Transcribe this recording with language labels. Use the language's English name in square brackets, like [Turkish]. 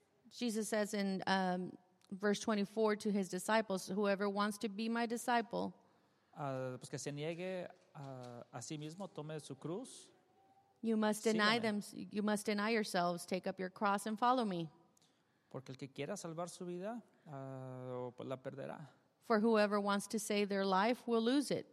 [English] Jesus says in verse 24 to his disciples, whoever wants to be my disciple. [Spanish] Que se niegue a sí mismo, tome su cruz. [English] You must deny [Spanish] Sígueme. [English] Them. You must deny yourselves. Take up your cross and follow me. [Spanish] Porque el que quiera salvar su vida, la perderá. [English] For whoever wants to save their life will lose it.